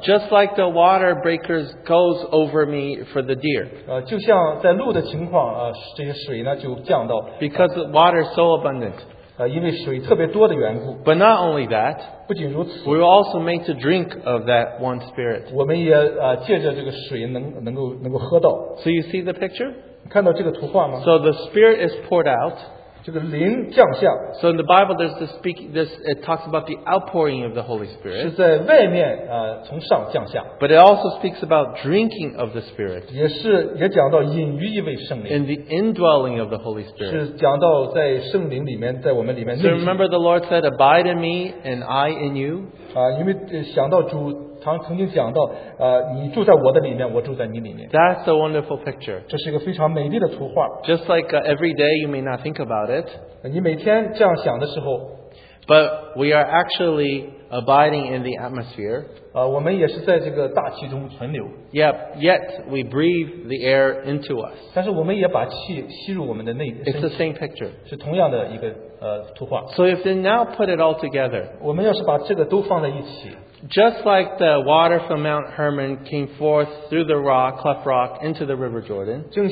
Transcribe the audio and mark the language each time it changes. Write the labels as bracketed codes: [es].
[en] Just like the water breakers goes over me for the deer. [zh] 就像在鹿的情况,这些水呢就降到。 [en] Because the water is so abundant. [zh] 因为水特别多的缘故。 [en] But not only that, [zh] 不仅如此, [en] we were also made to drink of that one Spirit. [zh] 我们也借着这个水能够喝到。 [en] So you see the picture? [zh] 看到这个图画吗? [en] So the Spirit is poured out. So in the Bible, it talks about the outpouring of the Holy Spirit. [zh] 是在外面, 从上降下, [en] but it also speaks about drinking of the Spirit. [zh] 也讲到饮于一位圣灵, [en] in the indwelling of the Holy Spirit. [zh] 是讲到在圣灵里面, 在我们里面, [en] so remember the Lord said, Abide in me and I in you. [zh] 因为想到主曾经讲到, 你住在我的里面, 我住在你里面。 [en] That's a wonderful picture. [zh] 这是一个非常美丽的图画。 [en] Just like every day you may not think about it, [zh] 你每天这样想的时候, [en] but we are actually abiding in the atmosphere. [zh] 我们也是在这个大气中存留。 [en] Yet we breathe the air into us. [zh] 但是我们也把气吸入我们的内, [en] it's the same picture. [zh] 是同样的一个, ,图画。 [en] So if we now put it all together, [zh] 我们要是把这个都放在一起, [en] just like the water from Mount Hermon came forth through the rock, cleft rock, into the river Jordan,